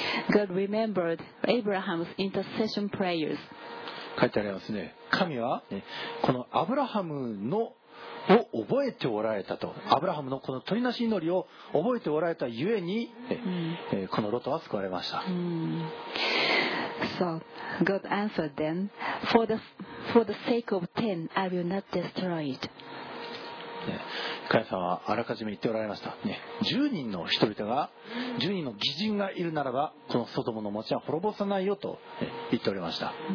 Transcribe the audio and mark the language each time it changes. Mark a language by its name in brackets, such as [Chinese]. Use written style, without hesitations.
[English] God remembered Abraham's intercession prayers。 [Japanese] 書いてありますね、神は、ね、このアブラハムのを覚えておられたと、アブラハムのこの取りなし祈りを覚えておられたゆえに、このロトは救われました。 [English] So God answered them, for the sake of ten, I will not destroy it。 [Japanese] 神様はあらかじめ言っておられました、ね、10人の人々が10人の義人がいるならばこのソドモの町は滅ぼさないよと、ね、言っておりました。